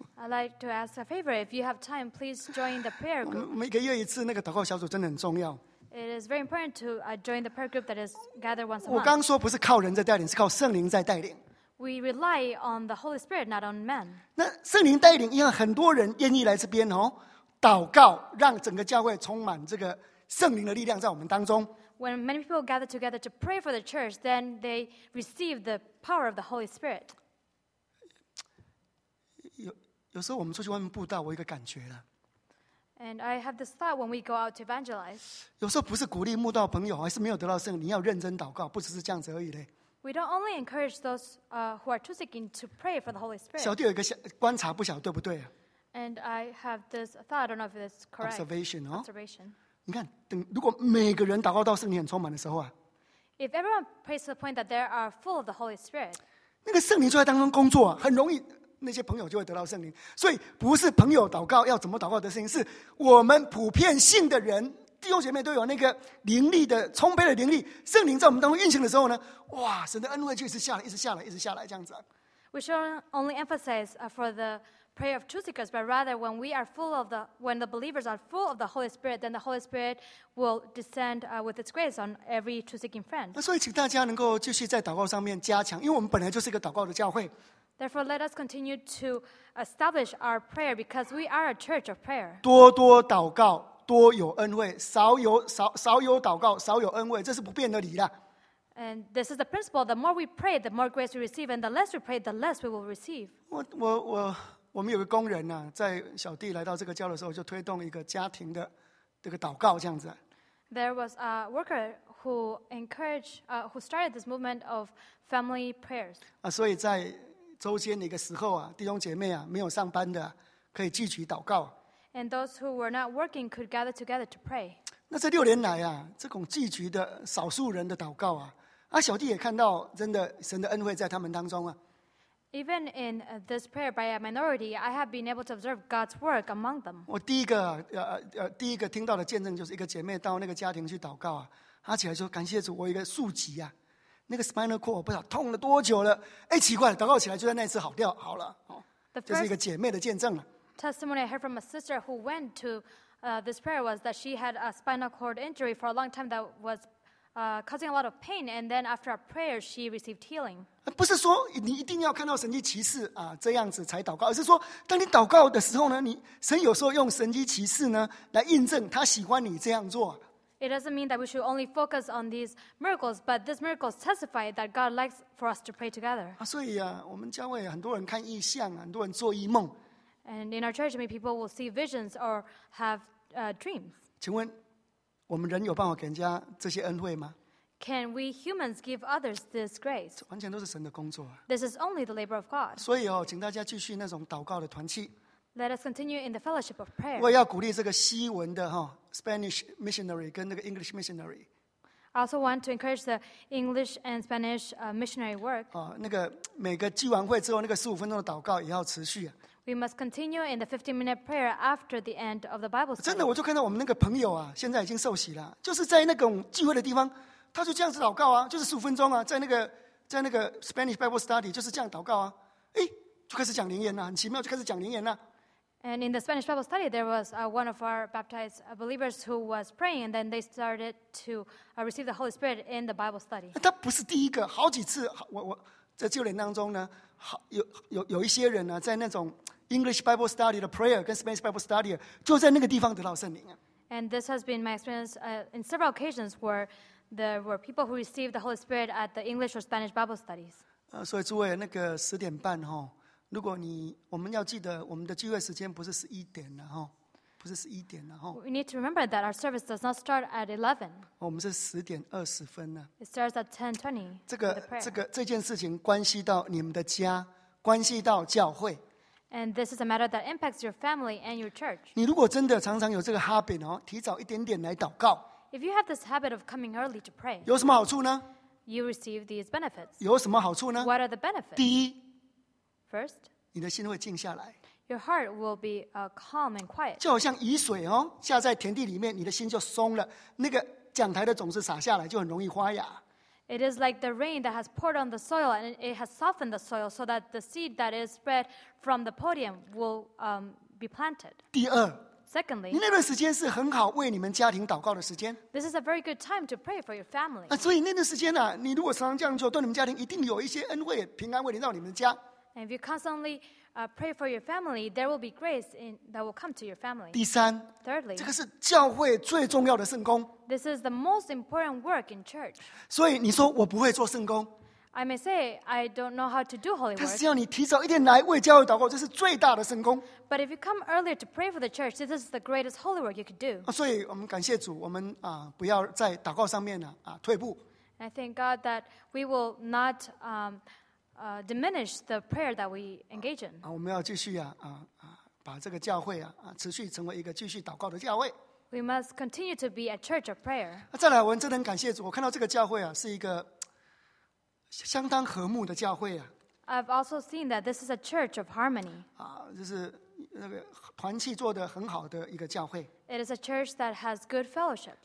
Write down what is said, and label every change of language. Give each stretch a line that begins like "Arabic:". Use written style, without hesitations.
English: I'd like to ask a favor. If you have time, please join the prayer group.
Chinese: 每个月一次那个祷告小组真的很重要。
English: It is very important to join the prayer group that is gathered once a month.
Chinese: 我刚说不是靠人在带领，是靠圣灵在带领。
English: We rely on the Holy Spirit, not on men.
Chinese: 那圣灵带领，因为很多人愿意来这边祷告，让整个教会充满这个圣灵的力量在我们当中。
English: When many people gather together to pray for the church, then they receive the power of the Holy Spirit.
Chinese: 有时候我们出去外面布道，我有一个感觉了。
English: And I have this thought when we go out to evangelize.
Chinese: 有时候不是鼓励慕道朋友，还是没有得到圣灵，你要认真祷告，不只是这样子而已嘞。
English: We don't only encourage those who are too sick to pray for the Holy Spirit.
Chinese: 小弟有一个观察，不晓得对不对啊
English: ？And I have this thought. I don't know if it's correct. Observation, Observation.
Chinese: 你看，如果每个人祷告到圣灵很充满的时候啊
English: ，If everyone prays to the point that they are full of the Holy Spirit,
Chinese: 那个圣灵就在当中工作，很容易那些朋友就会得到圣灵。所以不是朋友祷告要怎么祷告的事情，是我们普遍性的人，弟兄姐妹都有那个灵力的充沛的灵力，圣灵在我们当中运行的时候呢，哇，神的恩惠就一直下来，一直下来，一直下来，这样子。
English: We shouldn't only emphasize for the prayer of truth seekers, but rather when we are full of the, when the believers are full of the Holy Spirit, then the Holy Spirit will descend with its grace on every truth seeking friend.
Chinese: 所以请大家能够继续在祷告上面加强，因为我们本来就是一个祷告的教会。
English: Therefore, let us continue to establish our prayer because we are a church of prayer.
Chinese: 多多祷告，多有恩惠，少有祷告，少有恩惠，这是不变的理啦。
English: And this is the principle: the more we pray, the more grace we receive, and the less we pray, the less we will receive.
Chinese: 我们有个工人呐、啊，在小弟来到这个教的时候，就推动一个家庭的这个祷告这样子。
English: There was a worker who encouraged, who started this movement of family prayers.
Chinese: 所以在周间的一个时候啊，弟兄姐妹啊，没有上班的可以聚集祷告。
English: And those who were not working could gather together to pray.
Chinese: 那这六年来啊，这种聚集的少数人的祷告啊，小弟也看到真的神的恩惠在他们当中啊。
English: Even in this prayer by a minority, I have been able to observe God's work among them.
Chinese: 我第一个听到的见证就是一个姐妹到那个家庭去祷告啊，她起来说感谢主，我一个竖脊啊。那个 spinal cord 不知道痛了多久了，哎，奇怪了，祷告起来就在那一次好掉好了，哦，这是一个姐妹的见证了。
English: Testimony I heard from a sister who went to this prayer was that she had a spinal cord injury for a long time that was causing a lot of pain, and then after a prayer she received healing.
Chinese: 不是说你一定要看到神迹奇事啊这样子才祷告，而是说当你祷告的时候呢，你神有时候用神迹奇事呢来印证他喜欢你这样做。
English: It doesn't mean that we should only focus on these miracles, but these miracles testify that God likes for us to pray together.
Chinese: 所以啊，我们教会很多人看异象，很多人做异梦。
English: And in our church, many people will see visions or have dreams.
Chinese: 请问，我们人有办法给人家这些恩惠吗？
English: Can we humans give others this grace?
Chinese: 完全都是神的工作。
English: This is only the labor of God.
Chinese: 所以哦，请大家继续那种祷告的团契。
English: Let us continue in the fellowship of prayer.
Chinese: 我也要鼓励这个西文的哈
English: Spanish missionary
Chinese: 跟那个
English: English missionary. I also want to encourage the English and Spanish missionary work.
Chinese: 哦，那个每个聚完会之后那个十五分钟的祷告也要持续。
English: We must continue in the 15-minute prayer after the end of the Bible study.
Chinese: 真的，我就看到我们那个朋友啊，现在已经受洗了，就是在那种聚会的地方，他就这样子祷告啊，就是十五分钟啊，在那个
English: Spanish Bible study
Chinese: 就是这样祷告啊，哎，就开始讲灵言了，很奇妙，就开始讲灵言了。
English: And in the Spanish Bible study, there was one of our baptized believers who was praying, and then they started to receive the Holy Spirit in the Bible study.
Chinese: 他不是第一个，好几次，我在旧年当中呢，有一些人呢，在那种
English: English Bible study
Chinese: 的 prayer 跟
English: Spanish Bible study
Chinese: 就在那个地方得到圣灵。
English: And this has been my experience in several occasions where there were people who received the Holy Spirit at the English or Spanish Bible studies.
Chinese: 所以诸位，那个十点半哈。如果你我们要记得我们的聚会时间不是十一点了，不是十一点了。
English: We need to remember that our service does not start at 11.
Chinese: 我们是十点二十分呢。
English: It starts at 10:20.
Chinese: 这件事情关系到你们的家，关系到教会。
English: And this is a matter that impacts your family and your church.
Chinese: 你如果真的常常有这个 habit 哦，提早一点点来祷告。
English: If you have this habit of coming early to pray,
Chinese: 有什么好处呢？
English: You receive these benefits.
Chinese: 有什么好处呢？
English: What are the benefits?
Chinese: 第一。
English: First,
Chinese: 你的心会静下来。
English: Your heart will be calm and quiet.
Chinese: 就好像雨水哦，下在田地里面，你的心就松了。那个讲台的种子撒下来，就很容易发芽。
English: It is like the rain that has poured on the soil, and it has softened the soil so that the seed that is spread from the podium will be planted.
Chinese: 第二
English: ，Secondly,
Chinese: 那段时间是很好为你们家庭祷告的时间。
English: This is a very good time to pray for your family.
Chinese: 所以那段时间呢、啊，你如果常常这样做，对你们家庭一定有一些恩惠、平安会临到你们家。
English: And if you constantly pray for your family, there will be grace in, that will come to your family.
Chinese: 第三
English: Thirdly,
Chinese: 这个是教会最重要的圣工。
English: This is the most important work in church.
Chinese: 所以你说我不会做圣工。
English: I may say I don't know how to do holy work.
Chinese: 但是只要你提早一天来为教会祷告，这是最大的圣工。
English: But if you come earlier to pray for the church, this is the greatest holy work you could do.
Chinese: 所以我们感谢主，我们不要在祷告上面退步。
English: I thank God that we will not diminish the prayer that we engage in.
Chinese: 我们要继续把这个教会持续成为一个继续祷告的教会。
English: We must continue to be a church of prayer.
Chinese: 再来，我真的很感谢主，我看到这个教会是一个相当和睦的教会
English: I've also seen that this is a church of harmony.
Chinese: 啊，就是那个团契做得很好的一个教会。
English: It is a church that has good fellowship.